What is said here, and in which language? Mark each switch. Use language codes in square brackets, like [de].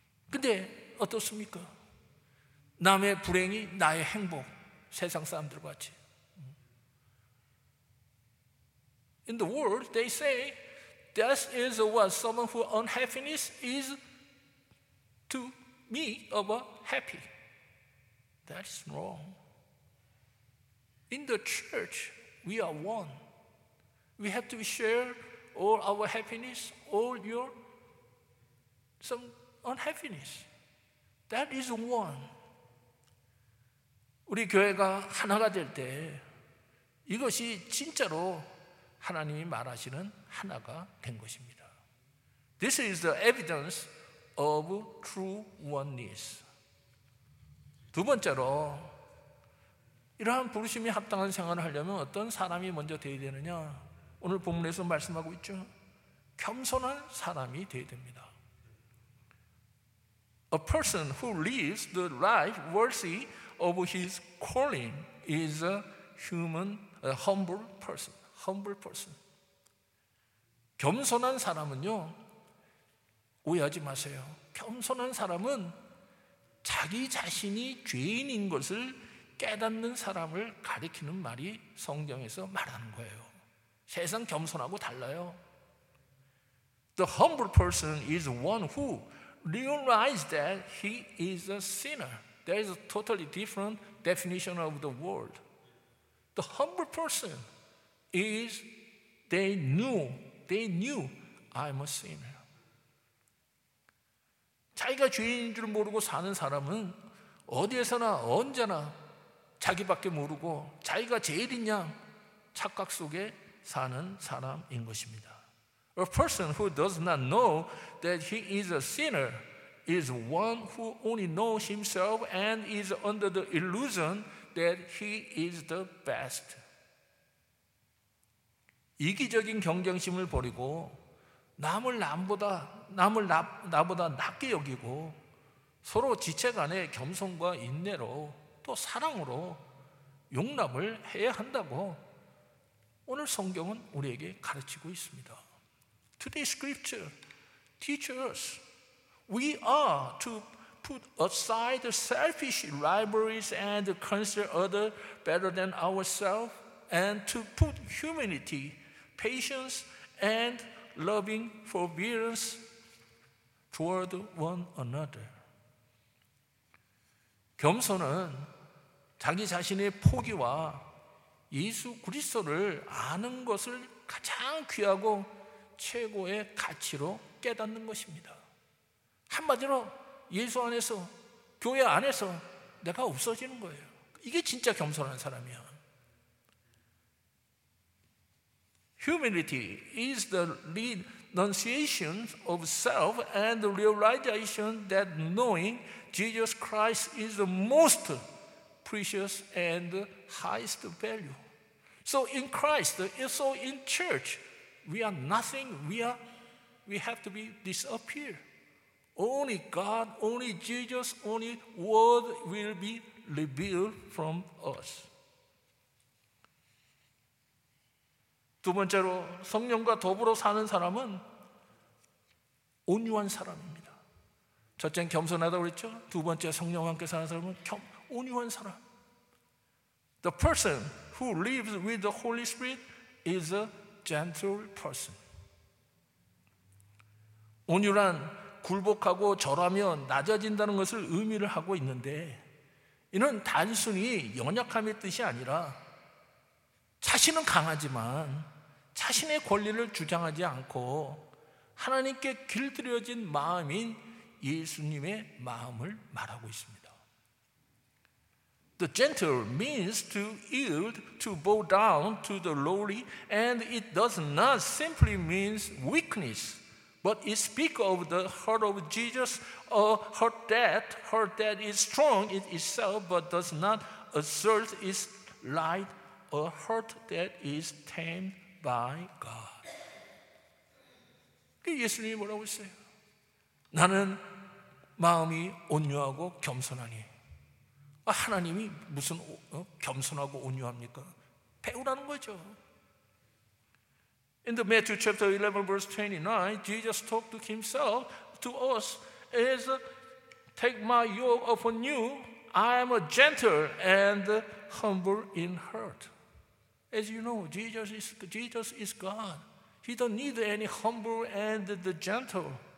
[ko] 근데 어떻습니까? 남의 불행이 나의 행복, 세상 사람들과 같이. [en] In the world, they say, death is what someone who unhappiness is to me about happy. That's wrong. In the church, we are one. We have to share all our happiness, all your some unhappiness. That is one. [ko] 우리 교회가 하나가 될 때 이것이 진짜로 하나님이 말하시는 하나가 된 것입니다. [en] This is the evidence of true oneness. [ko] 두 번째로 이러한 부르심이 합당한 생활을 하려면 어떤 사람이 먼저 되어야 되느냐? 오늘 본문에서 말씀하고 있죠. 겸손한 사람이 되어야 됩니다. [en] A person who lives the life worthy of his calling is a human, a humble person. Humble person. [ko] 겸손한 사람은요, 오해하지 마세요. 겸손한 사람은 자기 자신이 죄인인 것을 깨닫는 사람을 가리키는 말이 성경에서 말하는 거예요. 세상 겸손하고 달라요. [en] The humble person is one who realizes that he is a sinner. There is a totally different definition of the word. The humble person is they knew I'm a sinner. [ko] 자기가 죄인인 줄 모르고 사는 사람은 어디에서나 언제나 자기밖에 모르고 자기가 제일이냐 착각 속에 사는 사람인 것입니다. [en] A person who does not know that he is a sinner is one who only knows himself and is under the illusion that he is the best. [ko] 이기적인 경쟁심을 버리고 남을 나보다 낮게 여기고 서로 지체 간의 겸손과 인내로 또 사랑으로 용납을 해야 한다고 오늘 성경은 우리에게 가르치고 있습니다. [en] Today's scripture teaches us we are to put aside the selfish rivalries and consider other better than ourselves and to put humility, patience and loving forbearance toward one another. [ko] 겸손은 자기 자신의 포기와 예수 그리스도를 아는 것을 가장 귀하고 최고의 가치로 깨닫는 것입니다. 한마디로 예수 안에서 교회 안에서 내가 없어지는 거예요. 이게 진짜 겸손한 사람이야. [en] Humility is the renunciation of self and the realization that knowing Jesus Christ is the most precious and highest value. So in Christ, so in church, we are nothing. We have to be disappeared. Only God, only Jesus, only word will be revealed from us. [ko] 두 번째로 성령과 더불어 사는 사람은 온유한 사람입니다. 첫째는 겸손하다고 그랬죠? 두 번째 성령과 함께 사는 사람은 온유한 사람. [en] The person who lives with the Holy Spirit is a gentle person. [ko] 온유란 굴복하고 절하며 낮아진다는 것을 의미를 하고 있는데 이는 단순히 연약함의 뜻이 아니라 자신은 강하지만 자신의 권리를 주장하지 않고 하나님께 길들여진 마음인 예수님의 마음을 말하고 있습니다. [en] The gentle means to yield, to bow down to the lowly, and it does not simply mean weakness, but it speaks of the heart of Jesus, a heart that is strong in itself, but does not assert its right, a heart that is tamed by God. [ko] 예수님이 뭐라고 했어요? 나는 마음이 온유하고 겸손하니 하나님이 무슨 겸손하고 온유합니까? 배우라는 거죠. [en] In the Matthew chapter 11 verse 29 Jesus talked to himself to us as take my yoke upon you I am a gentle and humble in heart. As you know, Jesus is God. He don't need any humble and the gentle.